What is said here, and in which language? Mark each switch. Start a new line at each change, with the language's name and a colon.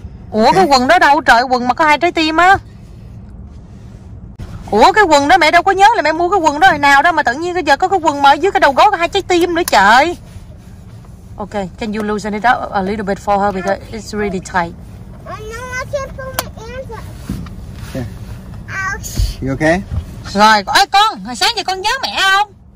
Vietnamese: Ủa okay. Cái quần đó đâu trời, quần mà có hai trái tim á. Ủa cái quần đó mẹ đâu có nhớ là mẹ mua cái quần đó hồi nào đâu, mà tự nhiên giờ có cái quần mà ở dưới cái đầu gối có hai trái tim nữa trời.
English: Ok, can you loosen it up a little bit for her because it's really tight. I know, I can't pull my hands up. Yeah. You okay?
Vietnamese: Rồi, ơi con, hồi sáng giờ con nhớ mẹ không?